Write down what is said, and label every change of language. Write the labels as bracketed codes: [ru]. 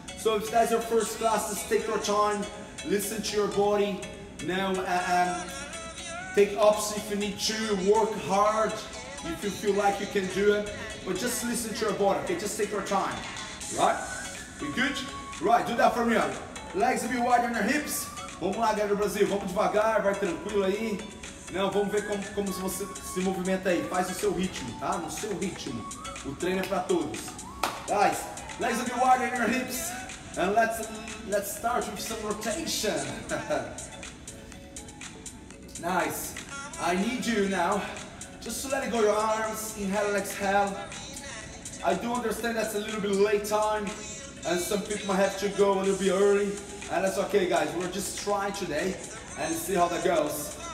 [en] So if that's your first class, just take your time, listen to your body. Now, take ups if you need to, work hard, if you feel like you can do it, but just listen to your body, okay? Just take your time, right? We good? Right, do that for me, legs a bit wider than your hips. [pt] Vamos lá, galera do Brasil, vamos devagar, vai tranquilo aí. Não, vamos ver como você se movimenta aí, faz o seu ritmo, tá? No seu ritmo, o treino é pra todos. [en] Guys, legs a bit wider than your hips, and let's start with some rotation. Nice. I need you now just to let go your arms, inhale and exhale. I do understand that's a little bit late time and some people might have to go a little bit early, and that's okay guys, we're just trying today and see how that goes.